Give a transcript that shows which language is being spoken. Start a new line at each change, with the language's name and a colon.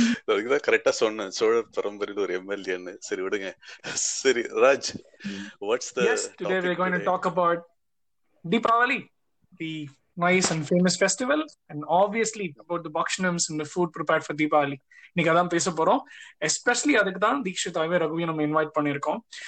Tamil: அதுக்குதான் கரெக்டா சொன்னேன், சோழர் பரம்பரையில் ஒரு எம்எல்ஏன்னு. சரி விடுங்க. சரி Raj,
English: what's the yes, today we're going to talk about Deepavali, the nice and famous festival, and obviously about the bakshanams and the food prepared for Deepavali.
Tamil: இன்னைக்கு அதான் பேச போறோம். எஸ்பெஷலி அதுக்கு தான் தீக்ஷிதாவே ரகுவியை நம்ம இன்வைட் பண்ணியிருக்கோம்.